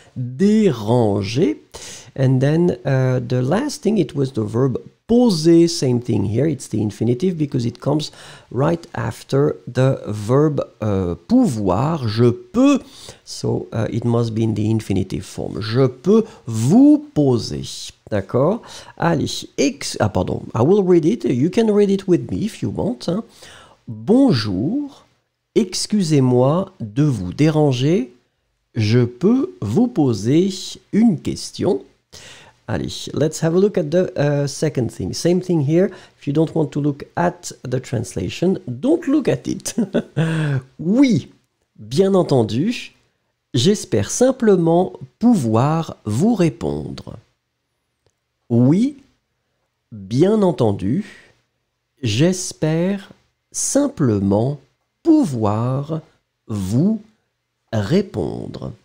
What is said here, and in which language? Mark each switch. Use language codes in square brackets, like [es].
[en] Déranger. And then the last thing, it was the verb poser, same thing here, it's the infinitive because it comes right after the verb pouvoir, je peux, so it must be in the infinitive form, [fr] je peux vous poser, d'accord? [en] Allez, I will read it, you can read it with me if you want. Hein. [fr] Bonjour, excusez-moi de vous déranger, je peux vous poser une question. [en] Allez, let's have a look at the second thing. Same thing here. If you don't want to look at the translation, don't look at it. [fr] Oui, bien entendu, j'espère simplement pouvoir vous répondre. Oui, bien entendu, j'espère simplement pouvoir vous répondre.